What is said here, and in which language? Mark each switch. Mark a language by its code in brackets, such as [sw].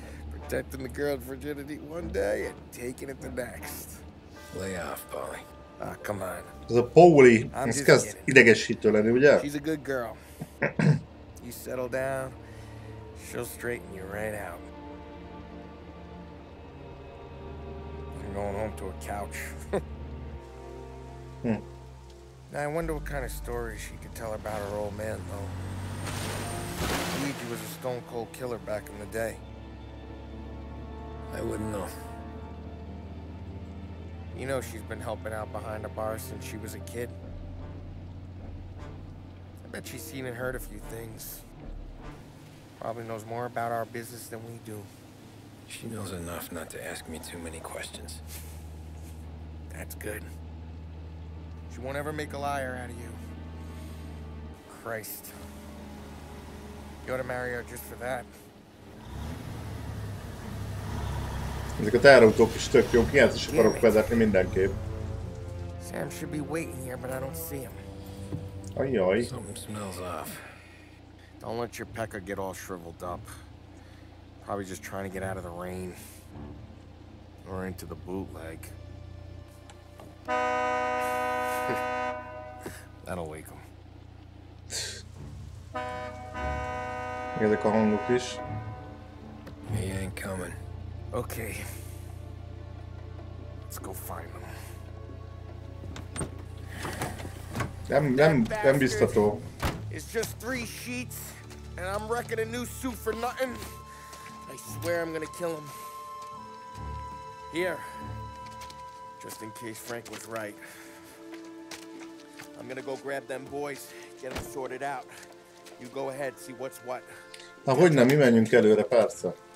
[en] Protecting the girl's virginity one day and taking it the next. Lay off, Polly. Ah, come on. [hu] Ez a Pauli, ez kezd idegesítő lenni, ugye? [en] She's a good girl. You settle down, she'll straighten you right out. You're going home to a couch. Now I wonder what kind of story she could tell about her old man, though. Luigi was a stone-cold killer back in the day. I wouldn't know. You know she's been helping out behind a bar since she was a kid. I bet she's seen and heard a few things. Probably knows more about our business than we do. She knows enough not to ask me too many questions. That's good. She won't ever make a liar out of you. Christ. You ought to marry her just for that. [hu] Ezek a teherautók is tök jók, ilyet is akarok vezetni mindenképp. [en] Sam should be waiting here, but I don't see him. Ajjaj. Something smells off. Don't let your pecker get all shriveled up. Probably just trying to get out of the rain. Or into the bootleg. That'll wake him. [hu] Ezek a hangok is. [en] He ain't coming. Okay. Let's go find him. [hu] Nem biztató. [en] It's just three sheets, and I'm wrecking a new suit for nothing. I swear I'm gonna kill him. Here. Just in case Frank was right. I'm gonna go grab them boys, get them sorted out. You go ahead, see what's what. [hu] Na, hogy nem, mi menjünk előre, persze.